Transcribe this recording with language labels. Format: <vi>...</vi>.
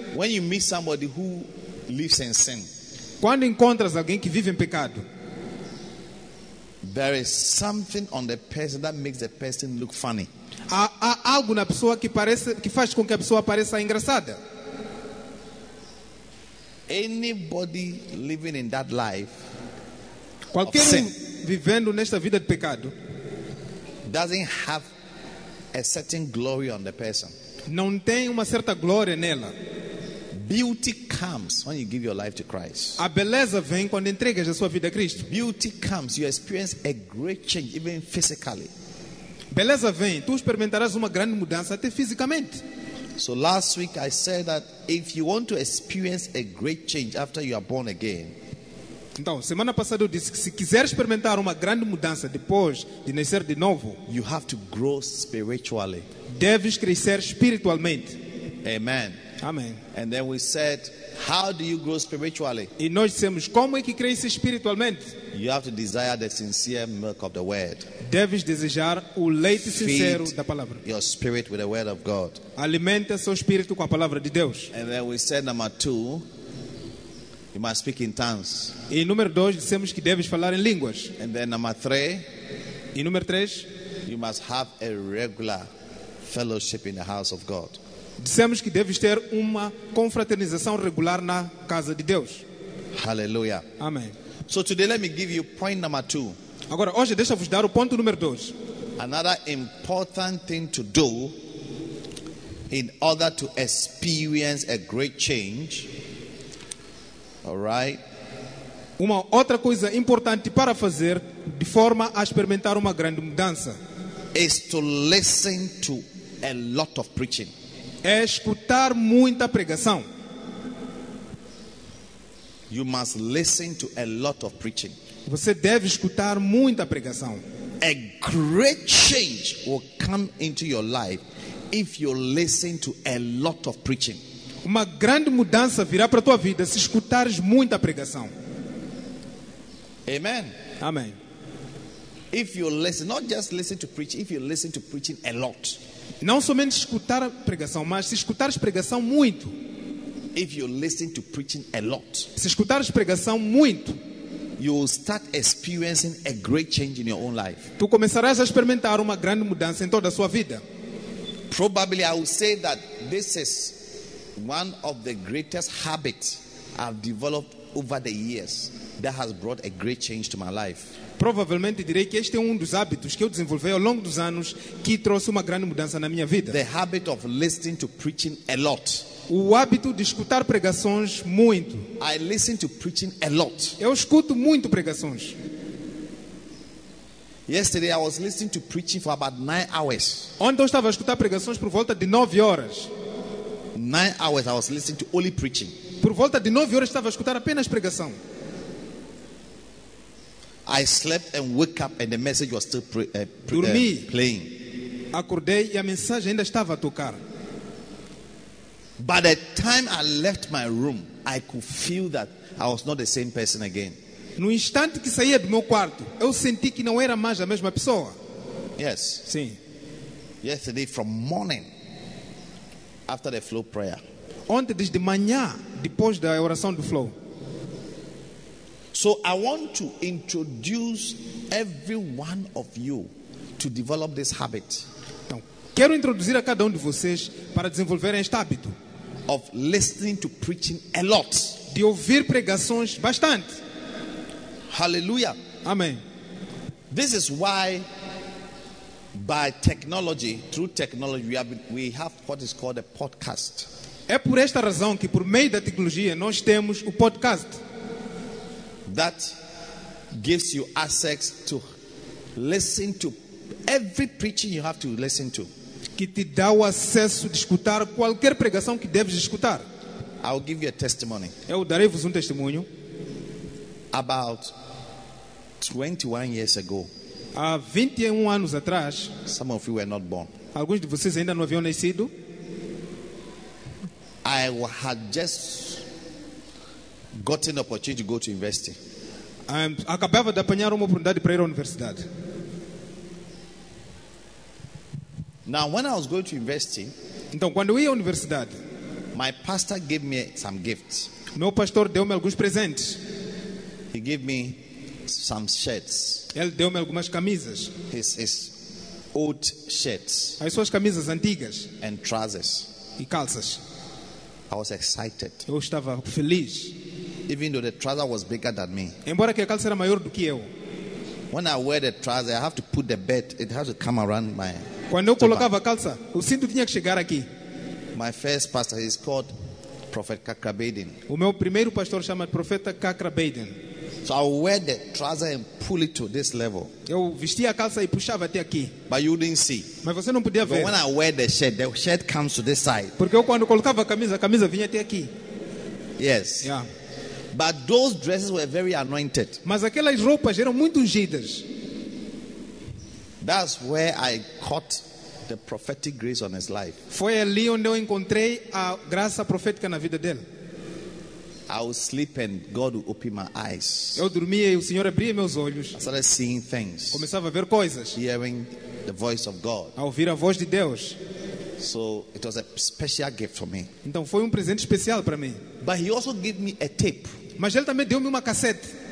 <en>When you meet somebody who lives in sin.</en> <pt>Quando encontras alguém que vive em pecado.</pt> <en>There is something on the person that makes the person look funny.</en> <pt>Há algo na pessoa que parece, que faz com que a pessoa pareça engraçada.</pt> <en>Anybody living in that life,</en> <pt>qualquer um vivendo nesta vida de pecado,</pt> <en>doesn't have a certain glory on the person.</en> <pt>Não tem uma certa glória nela.</pt> <en>Beauty comes when you give your life to Christ.</en> <pt>A beleza vem quando entregas a sua vida a Cristo.</pt> <en>Beauty comes, you experience a great change, even physically.</en> <pt>Beleza vem, tu experimentarás uma grande mudança até fisicamente.</pt> <en>So last week I said that if you want to experience a great change after you are born again.</en> <pt>Então, semana passada eu disse que se quiser experimentar uma grande mudança depois de nascer de novo,</pt> <en>you have to grow spiritually.</en> <pt>Deves crescer espiritualmente. Amen. Amen.</pt> <en>And then we said, how do you grow spiritually?</en> <pt>E nós dissemos, como é que cresce espiritualmente?</pt> <en>You have to desire the sincere milk of the word.</en> <pt>Deves desejar o leite sincero da palavra.</pt> <en>Your spirit with the word of God.</en> <pt>Alimenta seu espírito com a palavra de Deus.</pt> <en>And then we said number two, you must speak in tongues.</en> <pt>E número dois, dissemos que deves falar em línguas.</pt> <en>And then number three,</en> <pt>e número três,</pt> <en>you must have a regular fellowship in the house of God.</en> <pt>Dissemos que deves ter uma confraternização regular na casa de Deus. Hallelujah. Amém.</pt> <en>So today let me give you point number two.</en> <pt>Agora hoje deixa-vos dar o ponto número dois.</pt> <en>Another important thing to do in order to experience a great change. All right.</en> <pt>Uma outra coisa importante para fazer de forma a experimentar uma grande mudança.</pt> <en>Is to listen to a lot of preaching.</en> <pt>É escutar muita pregação.</pt> <en>You must listen to a lot of preaching.</en> <pt>Você deve escutar muita pregação.</pt> <en>A great change will come into your life if you listen to a lot of preaching.</en> <pt>Uma grande mudança virá para a tua vida se escutares muita pregação. Amen. Amém.</pt> <en>If you listen, not just listen to preach, if you listen to preaching a lot.</en> <pt>Não somente escutar a pregação, mas se escutares pregação muito.</pt> <en>If you listen to preaching a lot.</en> <pt>Se escutares pregação muito,</pt> <en>you will start experiencing a great change in your own life.</en> <pt>Tu começarás a experimentar uma grande mudança em toda a sua vida.</pt> <en>Probably I would say that this is one of the greatest habits I've developed over the years that has brought a great change to my life.</en> <pt>Provavelmente direi que este é um dos hábitos que eu desenvolvi ao longo dos anos que trouxe uma grande mudança na minha vida.</pt> <en>The habit of listening to preaching a lot.</en> <pt>O hábito de escutar pregações muito.</pt> <en>I listen to preaching a lot.</en> <pt>Eu escuto muito pregações.</pt> <en>Yesterday I was listening to preaching for about 9 hours.</en> <pt>Ontem eu estava a escutar pregações por volta de 9 horas.</pt> <en>9 hours I was listening to only preaching.</en> <pt>Por volta de 9 horas estava a escutar apenas pregação.</pt> <en>I slept and woke up and the message was still playing.</en> <pt>Acordei e a mensagem ainda estava a tocar.</pt> <en>By the time I left my room, I could feel that I was not the same person again.</en> <pt>No instante que saía do meu quarto, eu senti que não era mais a mesma pessoa.</pt> <en>Yes.</en> <pt>Sim.</pt> <en>Yesterday from morning after the flow prayer.</en> <pt>Ontem desde manhã, depois da oração do flow.</pt> <en>So I want to introduce every one of you to develop this habit.</en> <pt>Então, quero introduzir a cada de vocês para desenvolver este hábito</pt> <en>of listening to preaching a lot.</en> <pt>De ouvir pregações bastante. Hallelujah. Amen.</pt> <en>This is why by technology, through technology we have what is called a podcast.</en> <pt>É por esta razão que por meio da tecnologia nós temos o podcast.</pt> <en>That gives you access to listen to every preaching you have to listen to.</en> <pt>Que te dá o acesso de escutar qualquer pregação que deves escutar.</pt> <en>I'll give you a testimony.</en> <pt>Eu darei-vos testemunho.</pt> <en>About 21 years ago.</en> <pt>Há 21 anos atrás.</pt> <en>Some of you were not born.</en> <pt>Alguns de vocês ainda não haviam nascido.</pt> <en>I had just got an opportunity to go to university.</en> <pt>Acabava de apanhar uma oportunidade para ir à universidade.</pt> <en>Now, when I was going to university,</en> <pt>então, quando eu ia à universidade,</pt> <en>my pastor gave me some gifts.</en> <pt>Meu pastor deu-me alguns presentes.</pt> <en>He gave me some shirts.</en> <pt>Ele deu-me algumas camisas.</pt> <en>His old shirts.</en> <pt>As suas camisas antigas.</pt> <en>And trousers.</en> <pt>E calças.</pt> <en>I was excited.</en> <pt>Eu estava feliz.</pt> <en>Even though the trouser was bigger than me.</en> <pt>Embora que a calça era maior do que eu.</pt> <en>When I wear the trouser, I have to put the belt. It has to come around my.</en> <pt>Quando eu colocava a calça, o cinto tinha que chegar aqui.</pt> <en>My first pastor is called Prophet Kakra Baden.</en> <pt>O meu primeiro pastor chama Profeta Kakra Baden.</pt> <en>So I wear the trouser and pull it to this level.</en> <pt>Eu vestia a calça e puxava até aqui.</pt> <en>But you didn't see.</en> <pt>Mas você não podia ver.</pt> <en>But when I wear the shirt comes to this side.</en> <pt>Porque eu quando colocava a camisa vinha até aqui.</pt> <en>Yes. Yeah. But those dresses were very anointed.</en> <pt>Mas aquelas roupas eram muito ungidas.</pt> <en>That's where I caught the prophetic grace on his life.</en> <pt>Foi ali onde eu encontrei a graça profética na vida dele.</pt> <en>I was sleeping, God would open my eyes.</en> <pt>Eu dormia e o Senhor abria meus olhos.</pt> <en>I started seeing things.</en> <pt>Começava a ver coisas.</pt> <en>Hearing the voice of God.</en> <pt>A ouvir a voz de Deus.</pt> <en>So it was a special gift for me.</en> <pt>Então foi presente especial para mim.</pt> <en>But he also gave me a tape.</en> <pt>Mas ele também deu-me uma cassete.</pt>